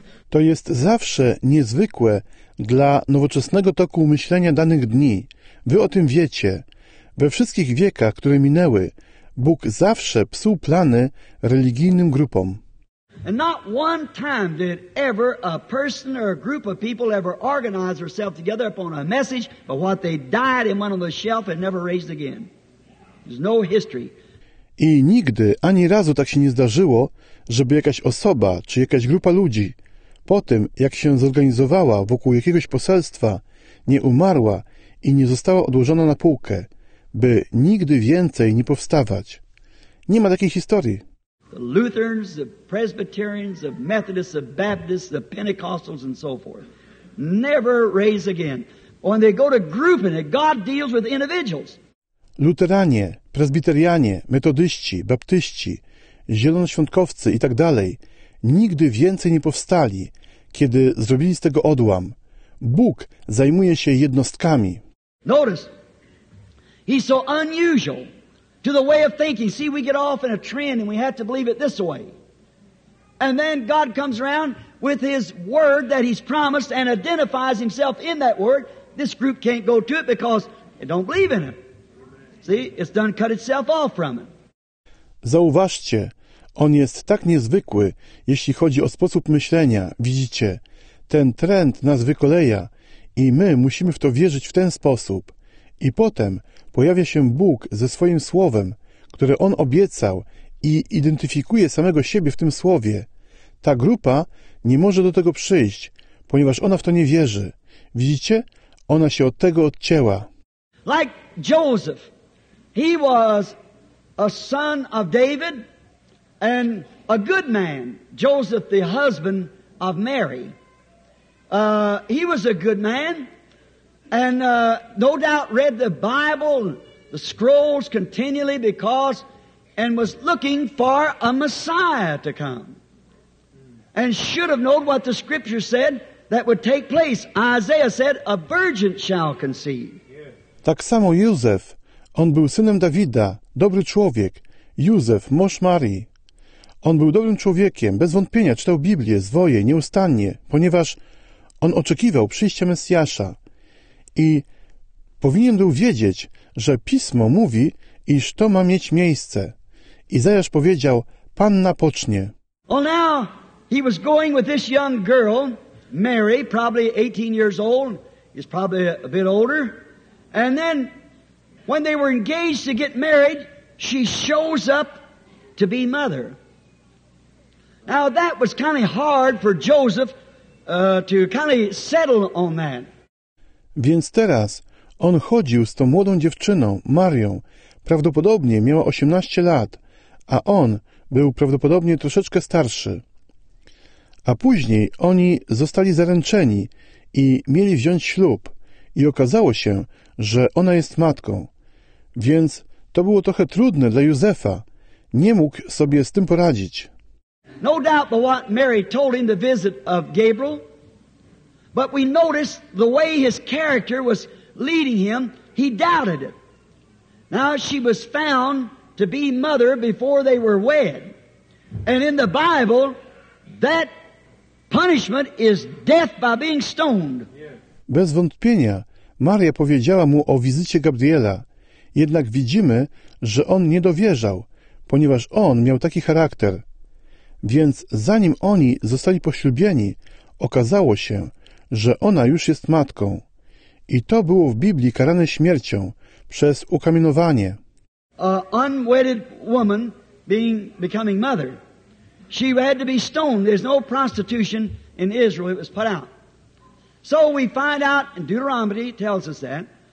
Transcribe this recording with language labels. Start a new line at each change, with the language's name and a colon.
Polish: To jest zawsze niezwykłe dla nowoczesnego toku myślenia danych dni. Wy o tym wiecie. We wszystkich wiekach, które minęły, Bóg zawsze psuł plany religijnym grupom.
English: And not one time did ever a person or a group of people ever organize herself together upon a message, but what they died in one on the shelf and never raised again. There's no history.
Polish: I nigdy ani razu tak się nie zdarzyło, żeby jakaś osoba czy jakaś grupa ludzi po tym, jak się zorganizowała wokół jakiegoś poselstwa, nie umarła i nie została odłożona na półkę, by nigdy więcej nie powstawać. Nie ma takiej historii.
English: The Lutherans, the Presbyterians, the Methodists, the Baptists, the Pentecostals and so forth never raise again. When they go to grouping it, God deals with individuals.
Polish: Luteranie, Presbyterianie, Metodyści, Baptyści, Zielonoświątkowcy i tak dalej nigdy więcej nie powstali, kiedy zrobili z tego odłam. Bóg zajmuje się jednostkami.
English: Notice, he's so unusual to the way of thinking. See, we get off in a trend and we have to believe it this way. And then God comes around with his word that he's promised and identifies himself in that word. This group can't go to it because they don't believe in him. See, it's done cut itself off from him.
Polish: Zauważcie, on jest tak niezwykły, jeśli chodzi o sposób myślenia. Widzicie, ten trend nas wykoleja i my musimy w to wierzyć w ten sposób. I potem pojawia się Bóg ze swoim słowem, które on obiecał i identyfikuje samego siebie w tym słowie. Ta grupa nie może do tego przyjść, ponieważ ona w to nie wierzy. Widzicie? Ona się od tego odcięła.
English: Like Joseph, he was a son of David and a good man. Joseph, the husband of Mary. He was a good man. And no doubt read the Bible, the scrolls continually because, and was looking for a Messiah to come. And should have known what the scripture said that would take place. Isaiah said, a virgin shall conceive.
Polish: Tak samo Józef, on był synem Dawida, dobry człowiek. Józef, mąż Marii. On był dobrym człowiekiem, bez wątpienia czytał Biblię, zwoje, nieustannie, ponieważ on oczekiwał przyjścia Mesjasza. I powinien był wiedzieć, że Pismo mówi, iż to ma mieć miejsce. Izajasz powiedział, Panna pocznie.
English: Well, now he was going with this young girl, Mary, probably 18 years old, is probably a bit older. And then when they were engaged to get married, she shows up to be mother. Now that was kind of hard for Joseph to kind of settle on that.
Polish: Więc teraz on chodził z tą młodą dziewczyną, Marią. Prawdopodobnie miała 18 lat, a on był prawdopodobnie troszeczkę starszy. A później oni zostali zaręczeni i mieli wziąć ślub. I okazało się, że ona jest matką. Więc to było trochę trudne dla Józefa. Nie mógł sobie z tym poradzić.
English: No doubt but what Mary told him the visit of Gabriel. But we noticed the way his character was leading him, he doubted it. Now she was found to be mother before they were wed. And in the Bible, that punishment is death by being stoned.
Polish: Bez wątpienia, Maria powiedziała mu o wizycie Gabriela. Jednak widzimy, że on nie dowierzał, ponieważ on miał taki charakter. Więc zanim oni zostali poślubieni, okazało się, że ona już jest matką. I to było w Biblii karane śmiercią przez ukamienowanie.
English: A unwedded woman becoming mother. She had to be stoned. There's no prostitution in Israel. It was put out. So we find out, and Deuteronomy tells us that.